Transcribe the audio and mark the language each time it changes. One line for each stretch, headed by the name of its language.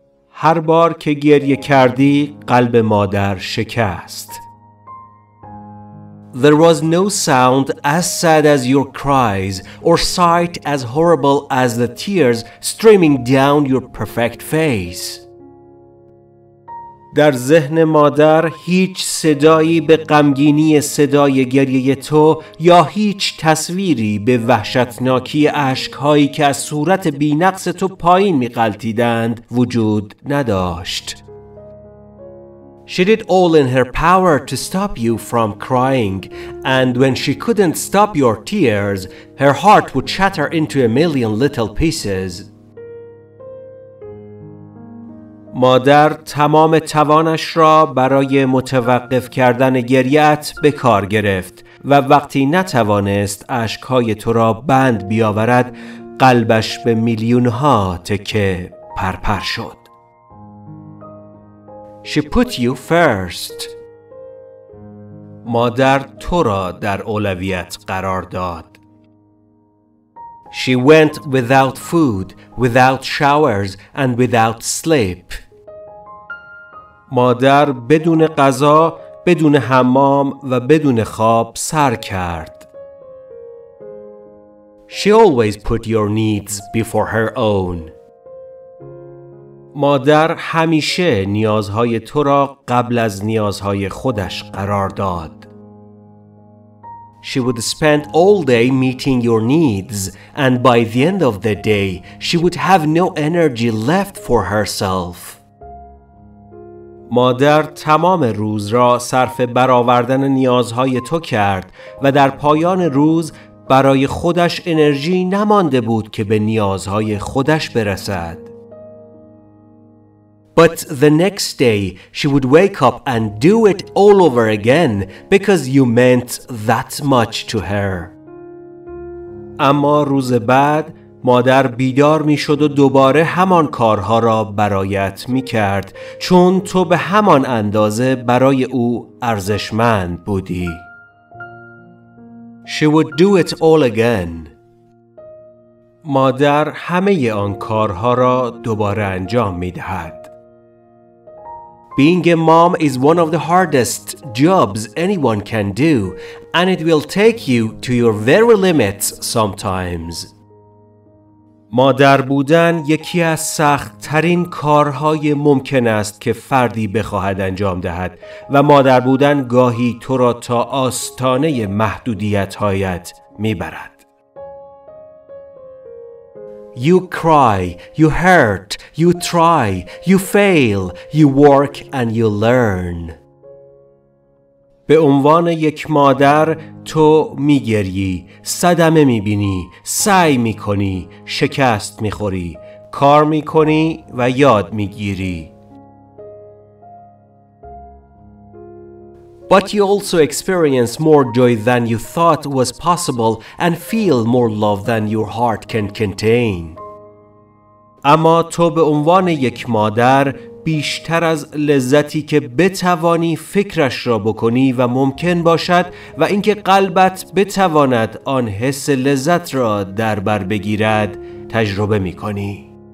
Persian: هر بار که گریه کردی قلب مادر شکست.
English: There was no sound as sad as your cries or sight as horrible as the tears streaming down your perfect face.
Persian: در ذهن مادر هیچ صدایی به غمگینی صدای گریه تو یا هیچ تصویری به وحشتناکی اشکهایی که از صورت بی‌نقص تو پایین می‌غلطیدند وجود نداشت.
English: She did all in her power to stop you from crying, and when she couldn't stop your tears, her heart would shatter into a million little pieces.
Persian: مادر تمام توانش را برای متوقف کردن گریه‌ات به کار گرفت و وقتی نتوانست اشک‌های تو را بند بیاورد، قلبش به میلیون‌ها تکه پرپر شد.
English: She put you first.
Persian: مادر تو را در اولویت قرار داد.
English: She went without food, without showers, and without sleep.
Persian: مادر بدون غذا، بدون حمام و بدون خواب سر کرد.
English: She always put your needs before her own.
Persian: مادر همیشه نیازهای تو را قبل از نیازهای خودش قرار داد.
English: She would spend all day meeting your needs, and by the end of the day, she would have no energy left for herself.
Persian: مادر تمام روز را صرف برآوردن نیازهای تو کرد و در پایان روز برای خودش انرژی نمانده بود که به نیازهای خودش برسد.
English: But the next day, she would wake up and do it all over again because you meant that much to her.
Persian: اما روز بعد، مادر بیدار می شد و دوباره همان کارها را برایت می کرد چون تو به همان اندازه برای او ارزشمند بودی.
English: She would do it all again.
Persian: مادر همه آن کارها را دوباره انجام می دهد.
English: Being a mom is one of the hardest jobs anyone can do, and it will take you to your very limits sometimes.
Persian: مادر بودن یکی از سخت ترین کارهای ممکن است که فردی بخواهد انجام دهد و مادر بودن گاهی تو را تا آستانه محدودیت‌هایت می‌برد.
English: You cry, you hurt, you try, you fail, you work and you learn.
Persian: به عنوان یک مادر تو میگری، صدمه میبینی، سعی میکنی، شکست میخوری، کار میکنی و یاد میگیری.
English: But you also experience more joy than you thought was possible and feel more love than your heart can contain.
Persian: اما تو به عنوان یک مادر بیشتر از لذتی که بتوانی فکرش را بکنی و ممکن باشد و اینکه قلبت بتواند آن حس لذت را در بر بگیرد تجربه می‌کنی.